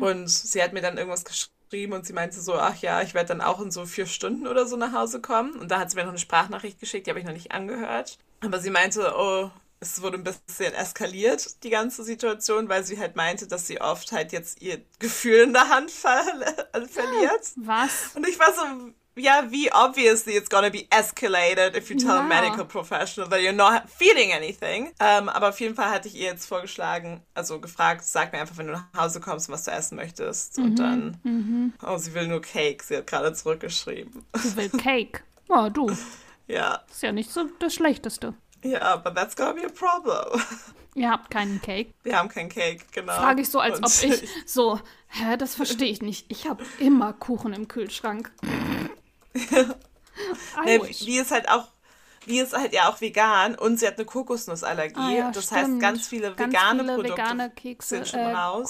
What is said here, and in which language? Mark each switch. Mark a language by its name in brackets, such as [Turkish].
[German] Und sie hat mir dann irgendwas geschrieben und sie meinte so, ach ja, ich werde dann auch in so 4 Stunden oder so nach Hause kommen. Und da hat sie mir noch eine Sprachnachricht geschickt, die habe ich noch nicht angehört. Aber sie meinte, oh, es wurde ein bisschen eskaliert, die ganze Situation, weil sie halt meinte, dass sie oft halt jetzt ihr Gefühl in der Hand verliert. Was? Und ich war so... [English] Ja, wie obviously it's gonna be escalated if you tell a medical professional that you're not feeling anything. [German] Aber auf jeden Fall hatte ich ihr jetzt vorgeschlagen, also gefragt, sag mir einfach, wenn du nach Hause kommst, was du essen möchtest. Und dann, oh, sie will nur Cake, sie hat gerade zurückgeschrieben. Sie will Cake? Oh, du. Ja. Ist ja nicht so das Schlechteste. [English] Ja, yeah, but that's gonna be a problem. [German] Ihr habt keinen Cake. Wir haben keinen Cake, genau. Frage ich so, als ob ich so, hä, das verstehe ich nicht. Ich habe immer Kuchen im Kühlschrank. Ja. Wie ist halt auch vegan und sie hat eine Kokosnussallergie. Ah, ja, das stimmt. Heißt, ganz viele vegane Produkte vegane Kekse, sind schon raus.